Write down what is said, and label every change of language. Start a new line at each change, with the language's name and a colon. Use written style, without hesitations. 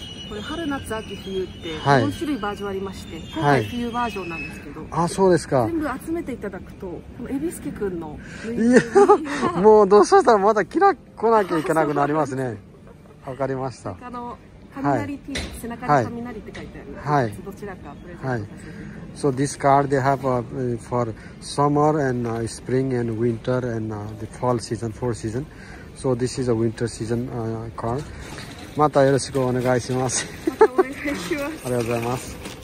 Japanese: これ春夏秋冬って4種類バージョンありまして、はい、今回冬バージョンなんですけど、はい、あ、そうですか。全部集めていただくと、このエビスケくんの、いや、もうどうしたらまた来なきゃいけなくなりますね。わかりました。あの雷ピース、背中に雷って書いてある、はい、どちらかプレゼントさせて。
English: So this card they have for summer and spring and winter and the fall season, four season. So this is a winter season card.
Japanese: またよろしくお願いします。またお願いします。ありがとうございます。